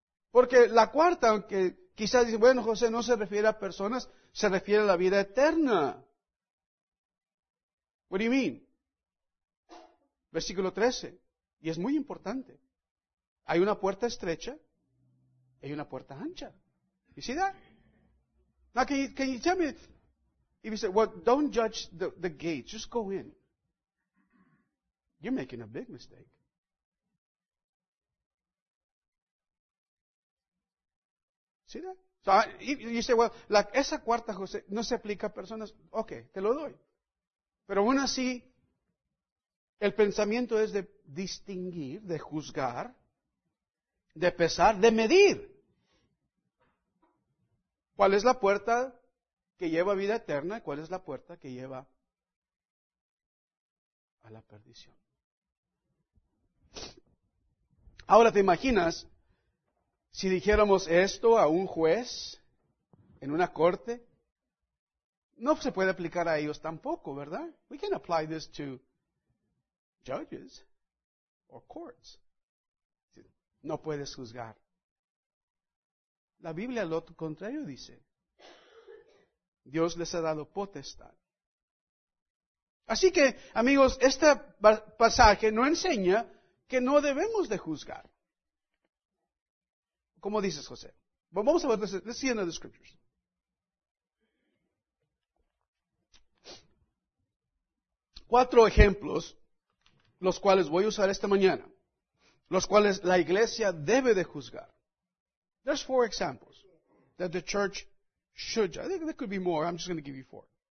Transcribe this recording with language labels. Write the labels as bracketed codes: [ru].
[es] Porque la cuarta, aunque quizás dice, bueno, José, no se refiere a personas, se refiere a la vida eterna. [en] What do you mean? [es] Versículo 13, y es muy importante. Hay una puerta estrecha y hay una puerta ancha. [en] You see that? Now, can you tell me, if you say, well, don't judge the gates, just go in. You're making a big mistake. See that? So, you say, well, like, [es] esa cuarta, José, no se aplica a personas. Okay, te lo doy. Pero aún así, el pensamiento es de distinguir, de juzgar, de pesar, de medir. ¿Cuál es la puerta que lleva a vida eterna y cuál es la puerta que lleva a la perdición? Ahora, ¿te imaginas si dijéramos esto a un juez en una corte? No se puede aplicar a ellos tampoco, ¿verdad? [en] We can apply this to judges or courts. [es] No puedes juzgar. La Biblia lo contrario dice. Dios les ha dado potestad. Así que, amigos, este pasaje nos enseña que no debemos de juzgar. ¿Cómo dices, José? Bueno, vamos a ver, [en] let's see another scriptures. [es] Cuatro ejemplos, los cuales voy a usar esta mañana, los cuales la iglesia debe de juzgar. [en] There's four examples that the church should judge. I think there could be more. I'm just going to give you four.